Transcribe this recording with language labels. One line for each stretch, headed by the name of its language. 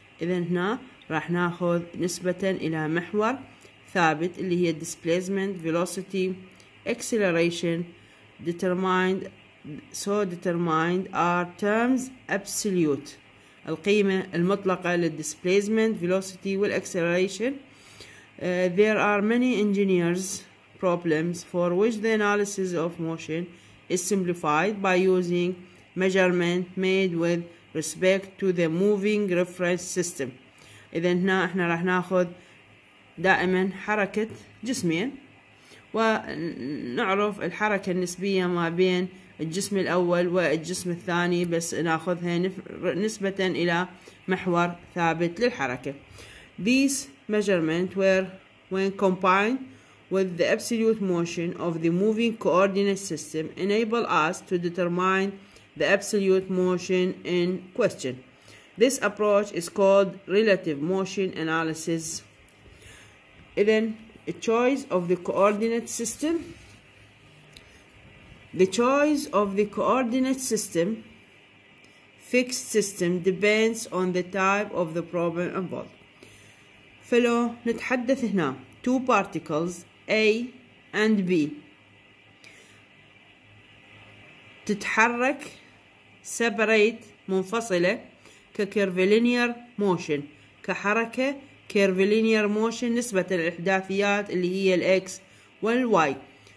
Arabic: إذن هنا راح ناخذ نسبة إلى محور ثابت اللي هي
English: Displacement, Velocity, Acceleration determined, so determined are terms absolute.
Arabic: القيمة المطلقة للdisplacement, velocity, والacceleration.
English: There are many engineers' problems for which the analysis of motion is simplified by using measurement made with respect to the moving reference system.
Arabic: إذن هنا إحنا راح نأخذ دائما حركة جسمين. ونعرف الحركة النسبية ما بين الجسم الأول والجسم الثاني بس نأخذها نسبة إلى محور ثابت للحركة.
English: These measurements were when combined with the absolute motion of the moving coordinate system enable us to determine the absolute motion in question. This approach is called relative motion analysis. إذن A choice of the coordinate system. The choice of the coordinate system, fixed system, depends on the type of the problem involved.
Arabic: فلو نتحدث هنا
English: two particles A and B
Arabic: تتحرك separate منفصلة كcurvilinear motion كحركة curvilinear motion نسبة الإحداثيات اللي هي الـ X والـ Y.